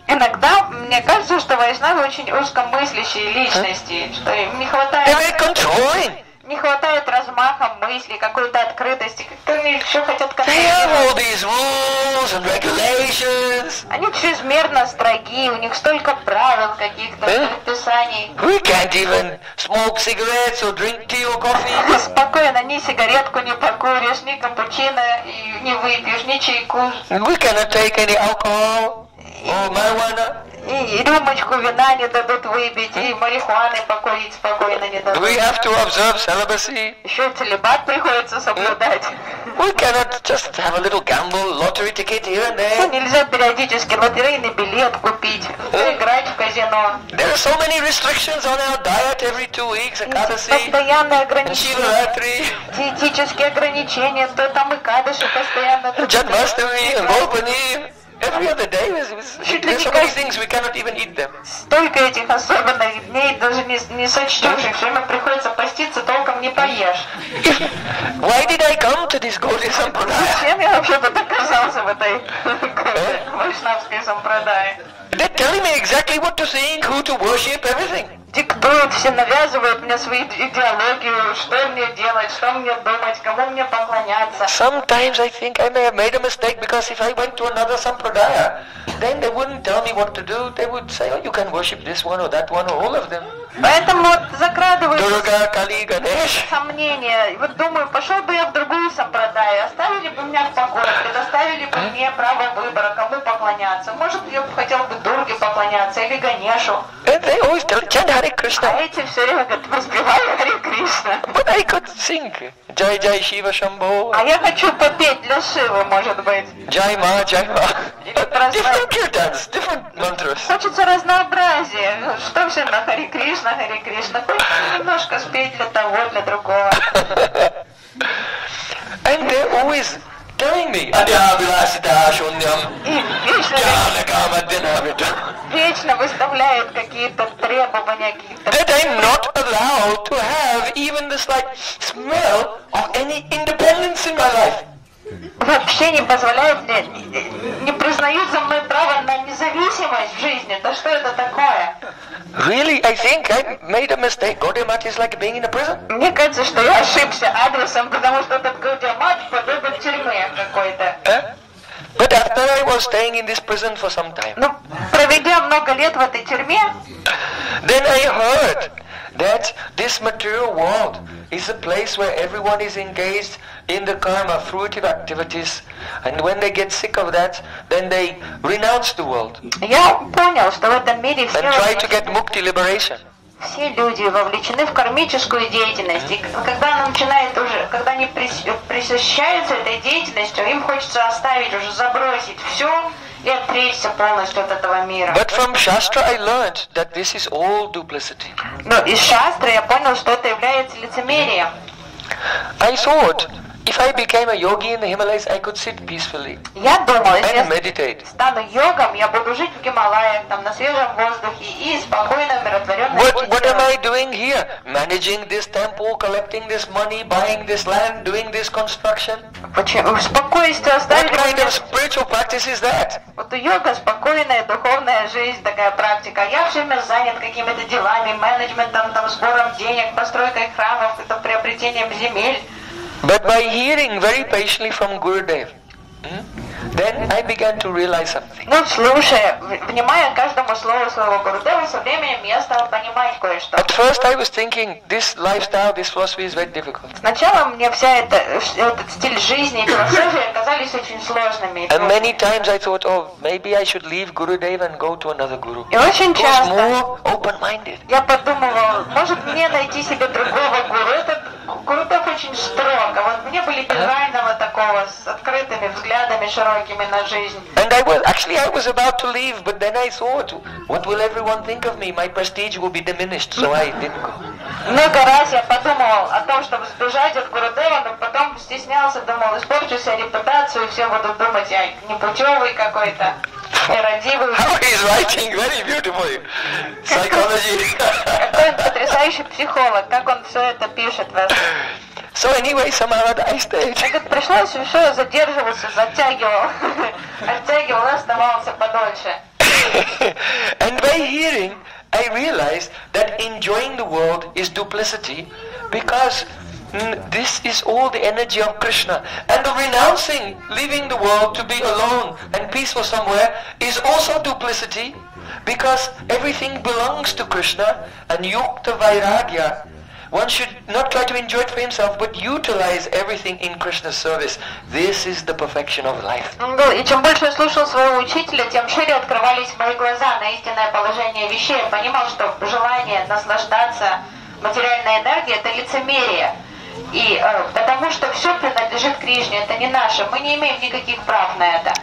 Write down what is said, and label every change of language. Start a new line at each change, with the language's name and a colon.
Russian: Иногда мне кажется, что Вайшнавы очень узкомыслящие личности, что им не хватает...
English: They are very controlling.
Russian: Не хватает размаха мысли, какой-то открытости, как-то они еще хотят контролировать.
English: They have all these rules and regulations.
Russian: Они чрезмерно строгие, у них столько правил каких-то, предписаний.
English: We can't even smoke cigarettes or drink tea or coffee.
Russian: Спокойно, ни сигаретку не покуришь, ни капучино и не выпьешь, ни чайку.
English: We cannot take any alcohol or marijuana.
Russian: И рюмочку вина не дадут выпить, и марихуаны покурить спокойно не дадут.
English: We have to observe celibacy.
Russian: Еще целибат приходится соблюдать.
English: We cannot just have a little gamble, lottery ticket here and there.
Russian: Нельзя периодически лотерейный билет купить, играть в казино.
English: There are so many restrictions on our diet every 2 weeks, экадаси.
Russian: Постоянные ограничения.
English: And Shivaratri.
Russian: Диетические ограничения, то там экадаши постоянно.
English: Janmashtami, Gopani. Every other day, there's so many things we cannot even eat them.
Russian: Столько этих особенных дней, даже не сочтешь их, все время приходится поститься, толком не поешь.
English: Why did I come to this Gaudiya Sampradaya?
Russian: Зачем я вообще-то оказался в этой вайшнавской сампрадае?
English: They're telling me exactly what to think, who to worship, everything.
Russian: Диктуют, все навязывают мне свои идеологии, что мне делать, что мне думать, кому мне поклоняться.
English: Sometimes I think I may have made a mistake, because if I went to another sampradaya, then they wouldn't tell me what to do. They would say, oh, you can worship this one or that one or all of them.
Russian: Поэтому вот закрадываются
English: Дурга, Кали, Ганеш.
Russian: Сомнения. И вот думаю, пошел бы я в другую сампрадаю, оставили бы меня в покое, предоставили бы мне право выбора, кому поклоняться. Может, я бы хотел бы Дурге поклоняться или Ганешу.
English: They always tell, chant Hare Krishna.
Russian: А эти все время говорят, воспевай Hare Krishna.
English: But I could sing.
Sanskrit: Jai Jai Shiva Shambho.
Russian: А я хочу попеть для Шивы, может быть.
Hindi: Jai Ma, Jai Ma.
English: Different kirtans, different mantras.
Russian: Хочется разнообразия. Что все на Hare Krishna, Hare Krishna. Немножко спеть для того, для другого.
English: And they always... telling me,
Sanskrit: Adhyabhilasita Shunyam, Jnana Kamadhyana Vita.
Russian: Вечно выставляют какие-то требования, какие-то...
English: That I'm not allowed to have even the slight smell of any independence in my life.
Russian: Вообще не позволяют мне, не признают за мной право на независимость в жизни. Да что это такое?
English: Really? I think I made a mistake. Gaudiya Math is like being in a prison.
Russian: Мне кажется, что я ошибся адресом, потому что этот Gaudiya Math подобен тюрьме какой-то.
English: But after I was staying in this prison for some time.
Russian: Ну, проведя много лет в этой тюрьме.
English: Then I heard that this material world is a place where everyone is engaged in the karma, fruitive activities, and when they get sick of that, then they renounce the world.
Russian: Я понял, что в этом мире все.
English: And try to get mukti liberation.
Russian: Все люди вовлечены в кармическую деятельность. И когда она начинает уже, когда они присыщаются этой деятельностью, им хочется оставить уже, забросить все и отречься полностью от этого мира.
English: But from Shastra I learned that this is all duplicity.
Russian: Но из Шастры я понял, что это является лицемерием.
English: I thought, if I became a yogi in the Himalayas, I could sit peacefully.
Russian: Я думал,
English: and meditate.
Russian: Стану йогом, я буду жить в Гималаях, там на свежем воздухе и спокойно, умиротворённо.
English: What am I doing here? Managing this temple, collecting this money, buying this land, doing this construction?
Russian: Почему? Спокойствие оставили.
English: What kind of spiritual practice is that?
Russian: Вот у йога спокойная духовная жизнь, такая практика. Я все время занят какими-то делами, менеджментом, там сбором денег, постройкой храмов, это приобретением земель.
English: But by hearing very patiently from Gurudev, then I began to realize something.
Russian: Ну, слушая, внимая каждому слову своего Гурудева, со временем я стал понимать кое-что.
English: At first I was thinking, this lifestyle, this philosophy is very difficult.
Russian: Сначала мне вся эта, этот стиль жизни и философия казались очень сложными.
English: And many times I thought, oh, maybe I should leave Gurudev and go to another guru.
Russian: И очень часто.
English: Who's more open-minded.
Russian: Я подумывал, может мне найти себе другого гуру, этот Гурудев очень строг, а вот мне были без райного такого, с открытыми взглядами широкими на жизнь.
English: And I was, actually I was about to leave, but then I thought, what will everyone think of me? My prestige will be diminished, so I didn't go.
Russian: Много раз я подумал о том, чтобы сбежать от Гурудева, но потом стеснялся, думал, испорчу себе репутацию, все будут думать, я непутевый какой-то.
English: How he's writing very beautifully. Psychology.
Russian: Потрясающий психолог, как он все это пишет.
English: So anyway, somehow I stayed.
Russian: Я говорю, пришлось еще задерживаться, оттягивал, оставался подольше.
English: And by hearing, I realized that enjoying the world is duplicity, because this is all the energy of Krishna, and the renouncing, leaving the world to be alone and peaceful somewhere, is also duplicity, because everything belongs to Krishna. And yukta vairagya, one should not try to enjoy it for himself, but utilize everything in Krishna's service. This is the perfection of life.
Russian: И чем больше я слушал своего учителя, тем шире открывались мои глаза на истинное положение вещей. Я понимал, что желание наслаждаться материальной энергией — это лицемерие. И потому что все принадлежит Кришне, это не наше, мы не имеем никаких прав на это.